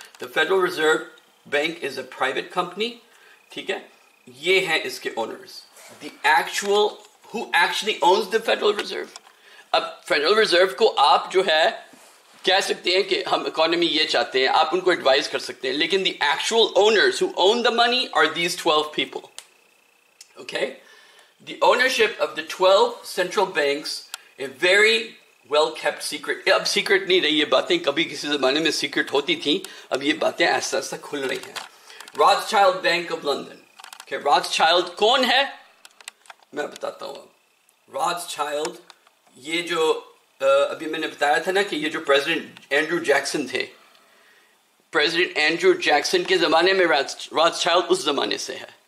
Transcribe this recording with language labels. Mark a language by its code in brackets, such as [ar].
[en] the Federal Reserve Bank is a private company, [ur] ٹھیک ہے, یہ ہیں اس کے owners. [en] the actual who actually owns the Federal Reserve, [ur] اب فیڈرل ریزرو کو آپ جو ہے کہہ سکتے ہیں کہ ہم اکانومی یہ چاہتے ہیں, آپ ان کو ایڈوائز کر سکتے ہیں, لیکن [en] The actual owners who own the money are these 12 people. Okay, the ownership of the 12 central banks are very well kept secret. [ur] اب سیکرٹ نہیں رہی یہ باتیں, کبھی کسی زمانے میں سیکرٹ ہوتی تھیں, اب یہ باتیں ایسا ایسا کھل رہی ہیں. راتھ child bank of London. Okay, راتھ چائلڈ کون ہے میں بتاتا ہوں. راتھ چائلڈ یہ جو ابھی میں نے بتایا تھا نا کہ یہ جو پریزیڈنٹ اینڈرو جیکسن تھے, پریزیڈنٹ اینڈرو جیکسن کے زمانے میں راتھ چائلڈ اس زمانے سے ہے.